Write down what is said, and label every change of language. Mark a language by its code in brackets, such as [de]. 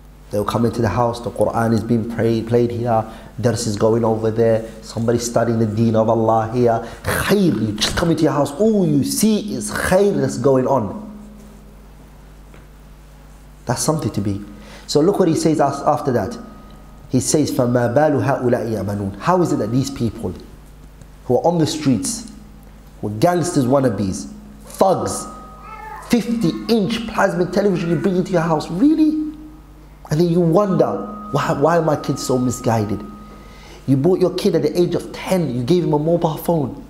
[en] They will come into the house, the Quran is being played here, dars is going over there, somebody studying the deen of Allah here. Khair, you just come into your house, all you see is khair that's going on. That's something to be. So look what he says after that. He says, [ar] فَمَا بَالُ هَؤُلَاءِ يَأْمَنُونَ. [en] How is it that these people who are on the streets, who are gangsters, wannabes, thugs, 50-inch plasma television you bring into your house, really? And then you wonder, why are my kids so misguided? You bought your kid at the age of 10, you gave him a mobile phone.